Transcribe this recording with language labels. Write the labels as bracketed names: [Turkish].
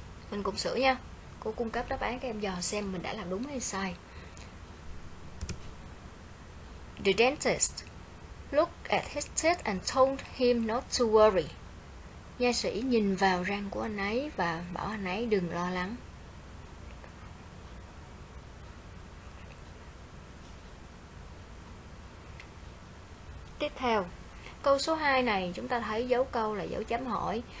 [Vietnamese] Mình cùng sửa nha. Cô cung cấp đáp án các em dò xem mình đã làm đúng hay sai. [English] The dentist looked at his teeth and told him not to worry. [Vietnamese] Gia sĩ nhìn vào răng của anh ấy và bảo anh ấy đừng lo lắng. Tiếp theo, câu số 2 này chúng ta thấy dấu câu là dấu chấm hỏi.